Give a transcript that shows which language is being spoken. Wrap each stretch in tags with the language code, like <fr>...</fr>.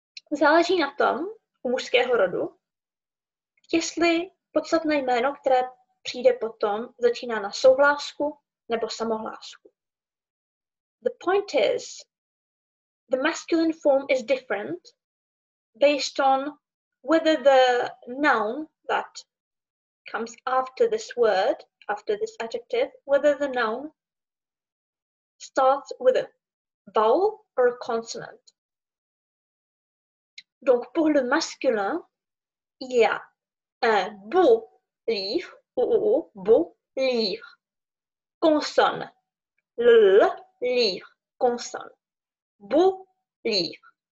<cs>Záleží na tom u mužského rodu, jestli podstatné jméno, které přijde potom, začíná na souhlásku nebo samohlásku.</cs> <en>The point is, the masculine form is different based on whether the noun that comes after this word, after this adjective, whether the noun starts with a vowel or a consonant.</en> <fr>Donc pour le masculin, il y a un beau livre, beau livre, consonne, le livre, consonne, beau livre.</fr>